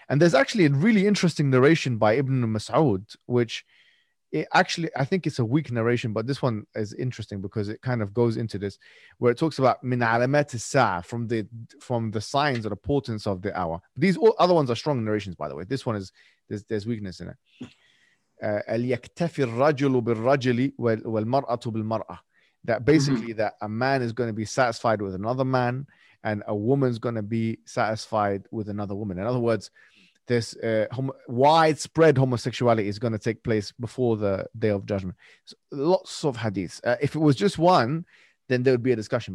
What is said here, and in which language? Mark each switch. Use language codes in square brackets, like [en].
[en] And there's actually a really interesting narration by Ibn Mas'ud, which I think it's a weak narration, but this one is interesting because it kind of goes into this, where it talks about [ar] min alamat as-sa'ah, [en] from the signs or the portents of the hour. These all other ones are strong narrations, by the way. This one is, there's weakness in it. [ar] يكتفي الرجل بالرجل والمرأة بالمرأة. [en] That basically mm-hmm. that a man is going to be satisfied with another man and a woman's going to be satisfied with another woman. In other words, this widespread homosexuality is going to take place before the Day of Judgment. So lots of hadiths. If it was just one, then there would be a discussion.